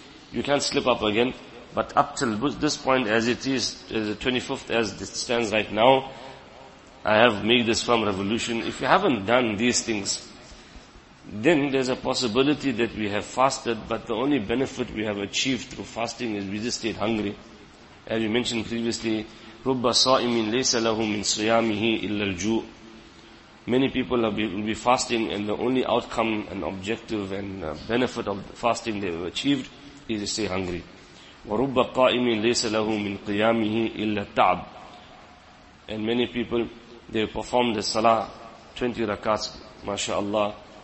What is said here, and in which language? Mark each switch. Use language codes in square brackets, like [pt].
[en] You can't slip up again. But up till this point, as it is, the 25th, as it stands right now, I have made this firm revolution. If you haven't done these things, then there's a possibility that we have fasted, but the only benefit we have achieved through fasting is we just stayed hungry. As we mentioned previously, [ar] رُبَّ صَائِمٍ لَيْسَ لَهُ مِنْ صِيَامِهِ إِلَّا الْجُوءِ. [en] Many people will be fasting, and the only outcome and objective and benefit of fasting they have achieved is to stay hungry. [ar] وَرُبَّ قَائِمٍ لَيْسَ لَهُ مِنْ قِيَامِهِ إِلَّا التَّعْبِ. [en] And many people, they perform the salah, 20 rakats, mashaAllah,